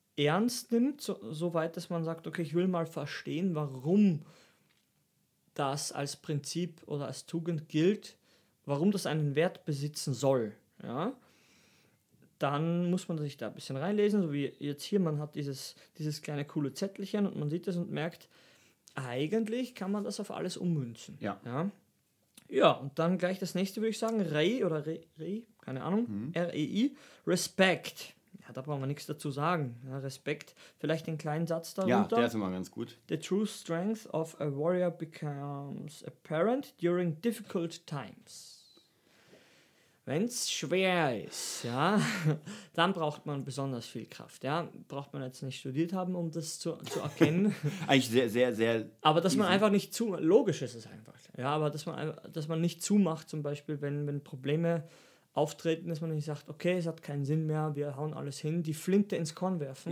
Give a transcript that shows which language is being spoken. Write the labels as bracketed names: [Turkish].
[German] ernst nimmt, so weit, dass man sagt, okay, ich will mal verstehen, warum das als Prinzip oder als Tugend gilt, warum das einen Wert besitzen soll, ja, dann muss man sich da ein bisschen reinlesen, so wie jetzt hier, man hat dieses kleine coole Zettelchen und man sieht es und merkt, eigentlich kann man das auf alles ummünzen. Ja. Ja, ja, und dann gleich das nächste würde ich sagen, Rei oder Rei, keine Ahnung, R-E-I, Respekt. Ja, da brauchen wir nichts dazu sagen. Ja, Respekt, vielleicht den kleinen Satz darunter. Ja, der ist immer ganz gut. [English] The true strength of a warrior becomes apparent during difficult times. [German] Wenn es schwer ist, ja, dann braucht man besonders viel Kraft. Ja, braucht man jetzt nicht studiert haben, um das zu erkennen. Eigentlich sehr, sehr, sehr... Aber dass man einfach nicht zu... Logisch ist es einfach. Ja, aber dass man nicht zumacht, zum Beispiel, wenn Probleme auftreten, dass man nicht sagt, okay, es hat keinen Sinn mehr, wir hauen alles hin, die Flinte ins Korn werfen,